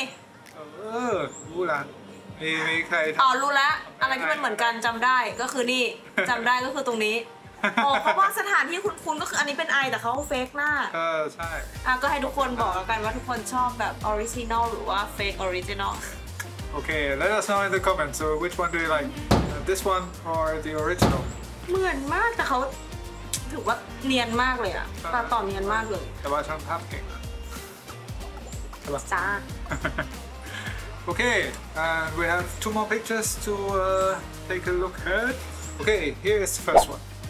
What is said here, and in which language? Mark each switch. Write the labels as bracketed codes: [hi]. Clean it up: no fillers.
[th] เออรู้ละมีใคร อ๋อรู้ละอะไรที่มันเหมือนกันจำได้ก็คือนี่จำได้ก็คือตรงนี้โอ้เพราะว่าสถานที่คุณคุณก็คืออันนี้เป็นไอแต่เขาเฟกหน้า เออใช่ ก็ให้ทุกคนบอกกันว่าทุกคนชอบแบบออริจินอลหรือว่าเฟกออริจินอล [en] โอเค let us know in the comments so which one do you like this one or the original [th] เหมือนมากแต่เขาถือว่าเนียนมากเลยอะตาต่อเนียนมากเลย แต่ว่าช่างภาพเก่งนะ จ้า [en] โอเค we have two more pictures to take a look at okay here is the first one